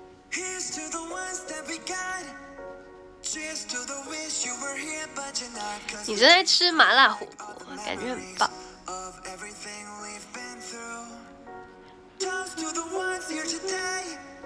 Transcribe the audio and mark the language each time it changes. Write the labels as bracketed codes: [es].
[en] Here's to the ones that we got. Cheers to the wish you were here, but you're not. [zh] 你正在吃麻辣火锅，感觉很棒。 [en] Of everything we've been through. Toast to the ones here today.